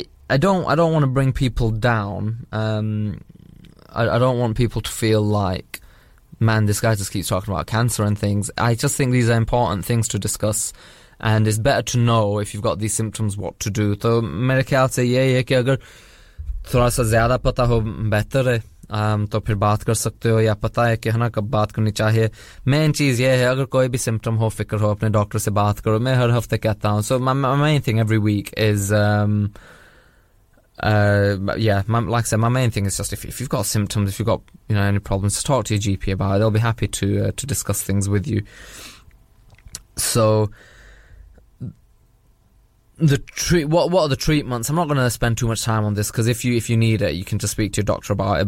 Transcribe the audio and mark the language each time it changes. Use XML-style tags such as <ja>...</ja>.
<en>I don't want to bring people down. I don't want people to feel like, man, this guy just keeps talking about cancer and things. I just think these are important things to discuss, and it's better to know if you've got these symptoms what to do.</en> <hi>So मेरे ख्याल से ये है कि अगर थोड़ा सा ज़्यादा पता हो बेहतर है. तो फिर बात कर सकते हो या पता है कि है ना कब बात करनी चाहिए. मेन चीज ये है अगर कोई भी सिम्टम हो फिक्र हो अपने डॉक्टर से बात करो. मैं हर हफ्ते कहता हूँ.</hi> <en>So my main thing every week is like I said, my main thing is just if you've got symptoms, if you've got any problems, just talk to your GP about it. They'll be happy to discuss things with you. So what are the treatments? I'm not going to spend too much time on this because if you need it, you can just speak to your doctor about it.</en>